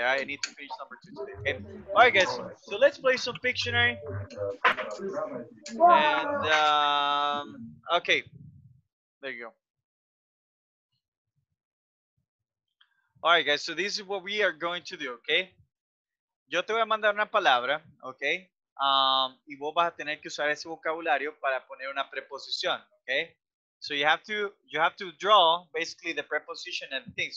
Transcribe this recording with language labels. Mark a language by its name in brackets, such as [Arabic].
[English] Right? I need to finish number two today. Okay. All right, guys. So let's play some Pictionary. And okay, there you go. All right, guys. So this is what we are going to do. [Spanish] Okay. Yo te voy a mandar una palabra, okay? Y vos vas a tener que usar ese vocabulario para poner una preposición, okay? [English] So you have to draw basically the preposition and things.